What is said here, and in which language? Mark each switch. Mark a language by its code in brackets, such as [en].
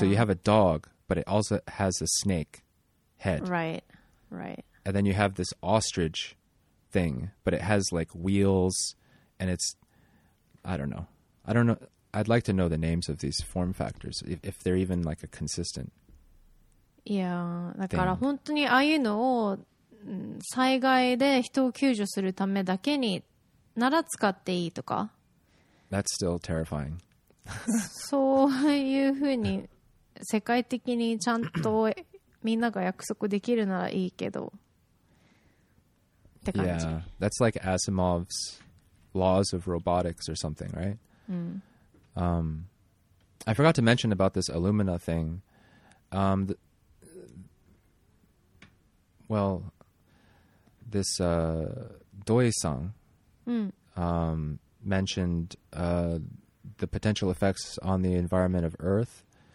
[en] So you have a dog, but it also has a snake head. Right. Right. And then you have this ostrich thing, but it has like wheels and it's... I don't know. I'd like to know the names of these form factors, if they're even like a consistent. Yeah. [ja] だから本当にああいうのを災害で人を救助するためだけになら使っていいとか。 [en] That's still terrifying. [ja] そういうふうに世界的にちゃんとみんなが約束できるならいいけど。って感じ。 [en] Yeah, that's like Asimov's laws of robotics or something, right? [ja] うん。 [en] I forgot to mention about this Illumina thing. This Doi-san mentioned the potential effects on the environment of Earth.